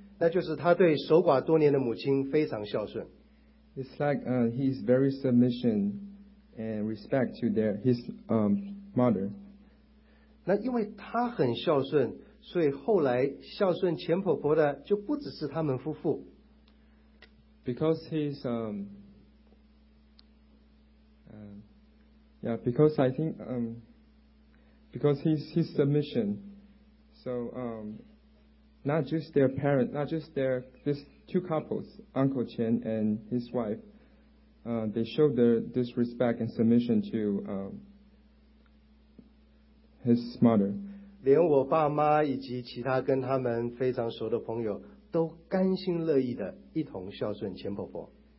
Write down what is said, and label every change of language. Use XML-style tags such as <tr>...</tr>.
<zh>那就是他对守寡多年的母亲非常孝顺。</zh> <en>It's like he is very submission and respect to his mother.</en> <zh>那因为他很孝顺，所以后来孝顺钱婆婆的就不只是他们夫妇。</zh> <en>Because he's because I think because his submission. So not just their parent, not just their this two couples, Uncle Chen and his wife, they showed their disrespect and submission to his mother.</en> <zh>连我爸妈以及其他跟他们非常熟的朋友 都甘心乐意的一同孝顺钱婆婆。</zh>